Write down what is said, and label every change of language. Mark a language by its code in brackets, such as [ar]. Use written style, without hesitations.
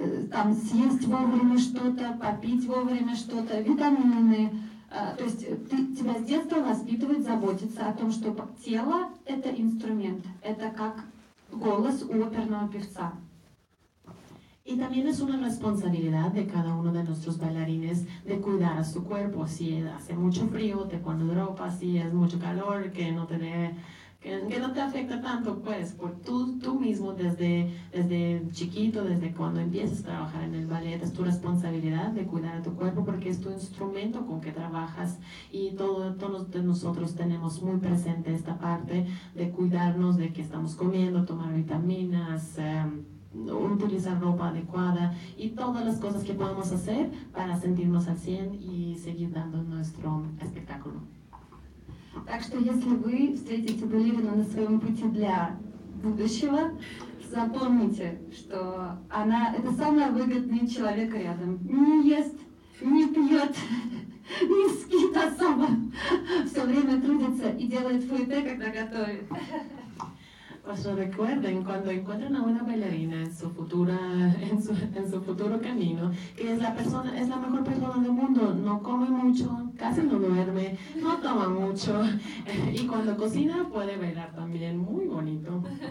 [ru] Там съесть вовремя что-то, попить вовремя что-то, витамины. То есть тебя с детства воспитывают заботиться о том, что тело – это инструмент, это как голос у оперного певца. [es] Y también es una responsabilidad de cada uno de nuestros bailarines de cuidar a su cuerpo. Si hace mucho frío, te pones ropa, si es mucho calor, que no te dé... Que no te afecta tanto, pues, por tú mismo desde chiquito, desde cuando empiezas a trabajar en el ballet, es tu responsabilidad de cuidar a tu cuerpo porque es tu instrumento con que trabajas y todos nosotros tenemos muy presente esta parte de cuidarnos, de que estamos comiendo, tomar vitaminas, utilizar ropa adecuada y todas las cosas que podemos hacer para sentirnos al 100 y seguir dando nuestro espectáculo. [ru] Так что, если вы встретите балерину на своем пути для будущего, запомните, что она – это самый выгодный человек рядом. Не ест, не пьет, не спит особо. Все время трудится и делает фуэте, когда готовит. [es] Pues recuerden, cuando encuentren a una bailarina en su futuro camino, que es la mejor persona del mundo, no come mucho, casi no duerme, no toma mucho, y cuando cocina puede bailar también, muy bonito.